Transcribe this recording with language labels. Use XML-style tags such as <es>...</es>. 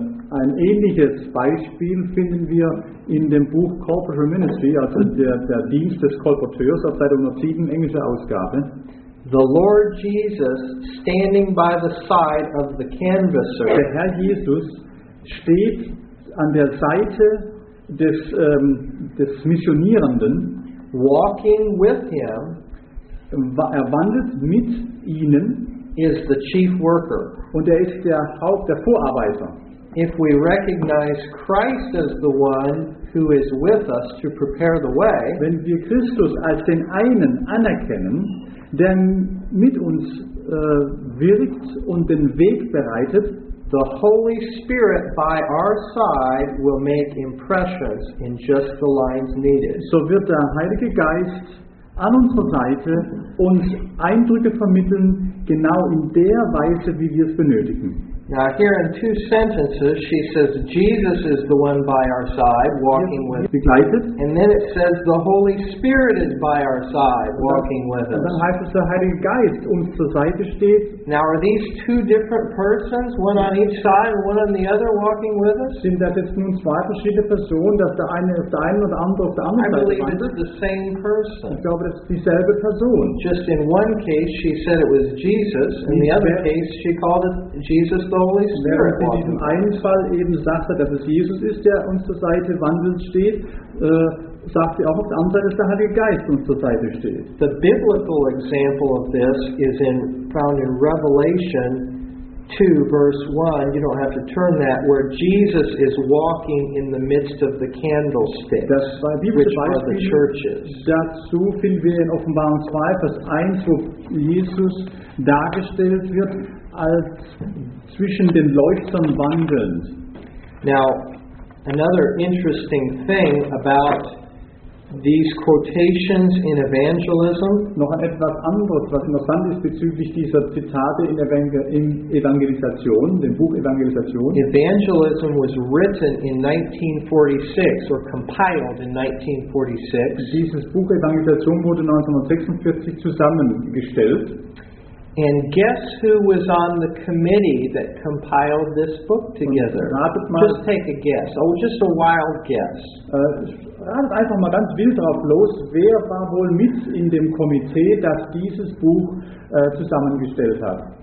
<de>Ein ähnliches Beispiel finden wir in dem Buch Call Porter Ministry, also der Dienst des Kolporteurs, auf Seite 107, englische Ausgabe.</de> <en>The Lord Jesus standing by the side of the canvasser.</en> <de>Der Herr Jesus steht an der Seite des Missionierenden,</de> <en>walking with him,</en> <de>er wandelt mit ihnen,</de> <en>is the chief worker.</en> <de>Und er ist der Haupt, der Vorarbeiter.</de> <en>If we recognize Christ as the one who is with us to prepare the way,</en> <de>wenn wir Christus als den einen anerkennen, der mit uns wirkt und den Weg bereitet,</de> <en>the Holy Spirit by our side will make impressions in just the lines needed.</en> <de>So wird der Heilige Geist an unserer Seite uns Eindrücke vermitteln, genau in der Weise, wie wir es benötigen.</de> <en>Now here in two sentences, she says Jesus is the one by our side walking with</en> <de>begleitet.</de> <en>And then it says the Holy Spirit is by our side walking with us.</en> <de>Und dann heißt es, der Heilige Geist uns zur Seite steht.</de> <en>Now are these two different persons, one on each side and one on the other walking with us?</en> <de>Sind das jetzt nun zwei verschiedene Personen, dass der eine auf der einen und der andere auf der anderen Seite?</de> <en>I believe it's the same person.</en> <de>Ich glaube, das ist dieselbe Person.</de> <en>Just in one case she said it was Jesus, in the other case she called it Jesus.</en> <de>Während in diesem einen Fall eben sagt er, dass es Jesus ist, der uns zur Seite wandelt, steht, sagt er auch auf der anderen Seite, dass der Heilige Geist uns zur Seite steht.</de> <en>The biblical example of this is found in Revelation 2, verse 1. You don't have to turn that, where Jesus is walking in the midst of the candlestick,</en> <de>das</de> <en>which are the churches.</en> <de>Dazu finden wir in Offenbarung 2, Vers 1, wo Jesus dargestellt wird, als zwischen den Leuchtern wandelnd.</de> <en>Now, another interesting thing about these quotations in evangelism.</en> <de>Noch etwas anderes, was interessant ist bezüglich dieser Zitate in Evangelisation, dem Buch Evangelisation.</de> <en>Evangelism was written in 1946 or compiled in 1946.</en> <de>Dieses Buch Evangelisation wurde 1946 zusammengestellt.</de> <en>And guess who was on the committee that compiled this book together? Just take a guess. Oh, just a wild guess.</en> <de>Ratet einfach mal ganz wild drauf los, wer war wohl mit in dem Komitee, das dieses Buch zusammengestellt hat?</de>